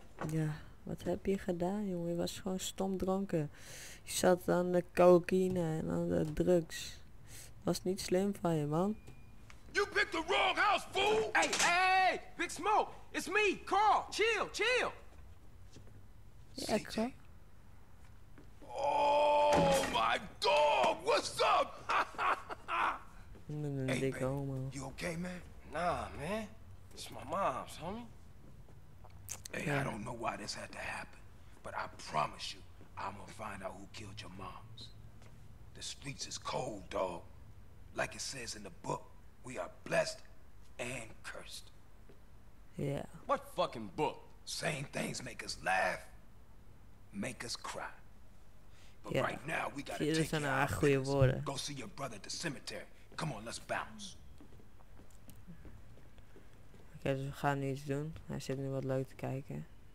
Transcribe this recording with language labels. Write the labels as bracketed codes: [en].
[nl] Ja, wat heb je gedaan, jongen? Je was gewoon stom dronken. Je zat aan de cocaïne en aan de drugs. Was niet slim van je, man. [en] You picked the wrong house, fool! Hey, Big Smoke! It's me, Carl! Chill! Echo. Oh my god, what's up? Hey, man, homo. You okay, man? Nah, man. It's my mom's, homie. Hey, yeah. I don't know why this had to happen, but I promise you, I'm gonna find out who killed your moms. The streets is cold, dog. Like it says in the book, we are blessed and cursed. Yeah. What fucking book? Same things make us laugh. Make us cry. But yeah. Right now we gotta take care of business. Go see your brother at the cemetery. Come on, let's bounce. [nl] Okay, dus we gaan nu iets doen. Hij zit nu wat leuk te kijken.